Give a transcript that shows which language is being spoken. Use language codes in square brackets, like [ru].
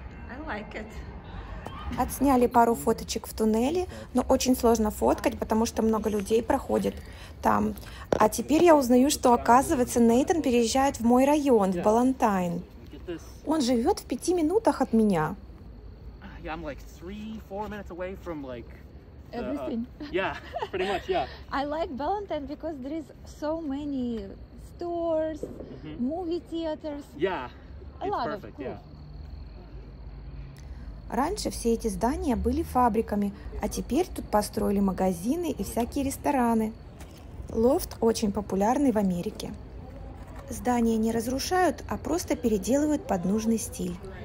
[en] I like it. [ru] Отсняли пару фоточек в туннеле, но очень сложно фоткать, потому что много людей проходит там. А теперь я узнаю, что, оказывается, Нейтан переезжает в мой район, в Балантайн. Он живет в 5 минутах от меня. Я, [en] like, 3-4 minutes away from, like, everything. Yeah, pretty much, yeah. I like Balantine because there is so many stores, movie theaters. Yeah, a lot of cool. [ru] Раньше все эти здания были фабриками, а теперь тут построили магазины и всякие рестораны. Лофт очень популярный в Америке. Здания не разрушают, а просто переделывают под нужный стиль.